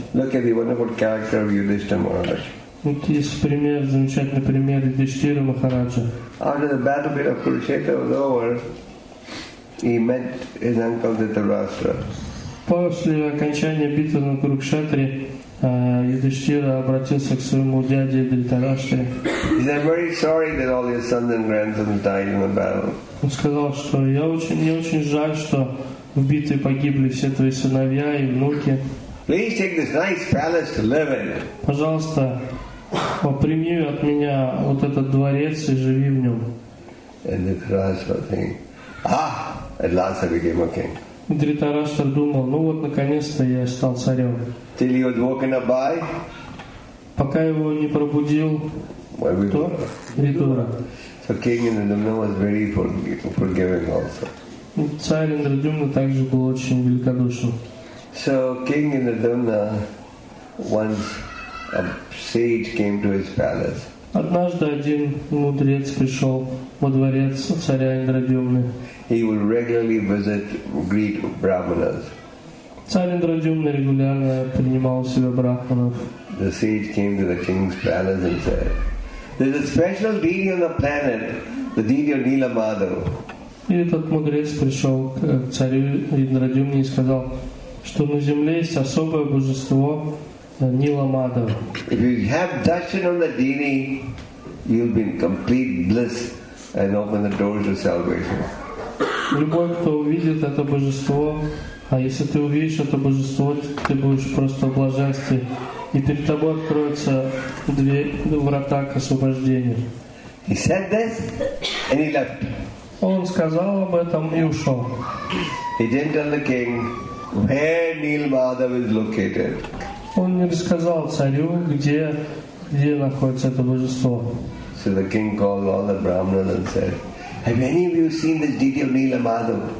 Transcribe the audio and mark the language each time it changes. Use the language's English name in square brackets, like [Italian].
[English] Look at the wonderful character of Yudhishthira Maharaj. [Russian] Вот есть пример, замечательный пример Юдхиштхира Махараджа. [English] After the battle of Kurukshetra was over, he met his uncle Dhritarashtra. [Russian] После окончания битвы на Курукшетре Юдхиштхира обратился к своему дяде Дхритарашти. [English] He said, "I'm very sorry that all your sons and grandsons died in the battle." [Russian] Он сказал, что я очень, мне очень жаль, что в битве погибли все твои сыновья и внуки. [English] Please take this nice palace to live in. [Russian] Пожалуйста, прими от меня вот этот дворец и живи в нем. [English] And Dhritarashtra think, ah, at last I became a king. [Russian] Дхритарашта думал, ну вот наконец-то я стал царем. [English] Till he was woken up by. [Russian] Пока его не пробудил. Кто? Ридура. [English] So King Indradyumna was very forgiving also. [Russian] Царь Индрадюмна также был очень великодушным. [English] So King Indradyumna once a sage came to his palace. [Russian] Однажды один мудрец пришел во дворец царя Индрадюмны. [English] He would regularly visit greet brahmanas. [Russian] Царь Индрадюмна регулярно принимал у себя брахманов. [English] The sage came to the king's palace and said, "There's a special deity on the planet, the deity of Nila Madhav." [Russian] И этот мудрец пришел к царю Индрадюмне и сказал, что на земле есть особое божество Нила Мадхава. [English] If you have darshan on the deity, you'll be in complete bliss and open the doors to salvation. [Russian] Любой, кто увидит это божество, а если ты увидишь это божество, ты будешь просто в блаженстве, и перед тобой откроются врата к освобождению. [English] He said this and he left. [Russian] Он сказал об этом и ушел. [English] He didn't tell the king where Neel Madhav is located. [Russian] Он не рассказал царю, где находится это божество. [English] So the king called all the brahmanas and said, "Have any of you seen this deity of Neel Madhav?"